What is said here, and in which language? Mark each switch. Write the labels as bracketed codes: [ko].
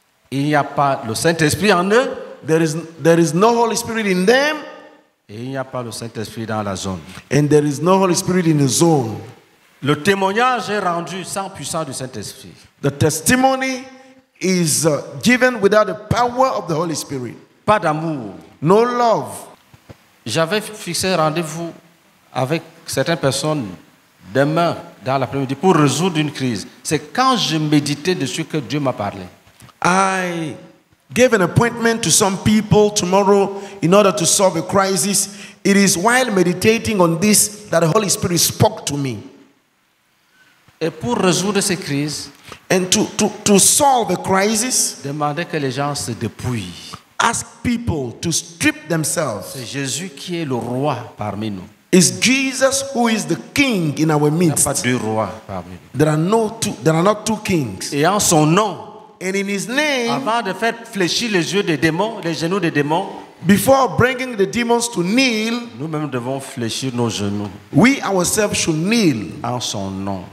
[fr] Il n'y a pas le Saint-Esprit en eux. [en] There is no Holy Spirit in them. [fr] Et il n'y a pas le Saint-Esprit dans la zone. [en] And there is no Holy Spirit in the zone. [fr] Le témoignage est rendu sans puissance du Saint-Esprit. [en] The testimony is given without the power of the Holy Spirit. [fr] Pas d'amour. [en] No love. [fr] J'avais fixé rendez-vous avec certaines personnes. Demain, dans l'après-midi, pour résoudre une crise, c'est quand je méditais dessus que Dieu m'a parlé. [en] I gave an appointment to some people tomorrow in order to solve a crisis. It is while meditating on this that the Holy Spirit spoke to me. [fr] Et pour résoudre ces crises, [en] and to solve the crisis, [fr] demandez que les gens se dépouillent. [en] Ask people to strip themselves. [fr] C'est Jésus qui est le roi parmi nous. [en] It's Jesus who is the king in our midst. [fr] Il n'y a pas deux rois parmi nous. [en] There are not two kings. [fr] Et en son nom, [en] and in his name, [fr] avant de faire fléchir les yeux des démons, les genoux des démons, [en] before bringing the demons to kneel, [fr] nous-mêmes devons fléchir nos genoux. [en] We ourselves should kneel [fr] en son nom.